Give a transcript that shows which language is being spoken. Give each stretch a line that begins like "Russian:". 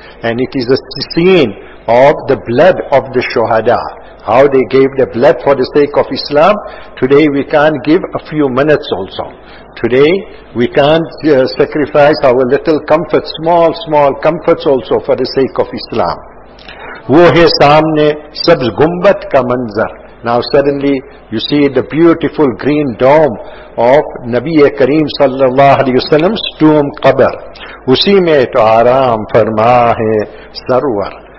English: And it is a scene of the blood of the shuhada. How they gave the blood for the sake of Islam. Today we can't give a few minutes also. Today we can't sacrifice our little comforts, small comforts also for the sake of Islam.
Urdu: وہ ہے سامنے سبز گنبد کا منظر.
English: Now suddenly you see the beautiful green dome of نبی کریم صلی اللہ علیہ وسلم's tomb قبر.
Urdu: اسی میں تو آرام فرما ہے سرور.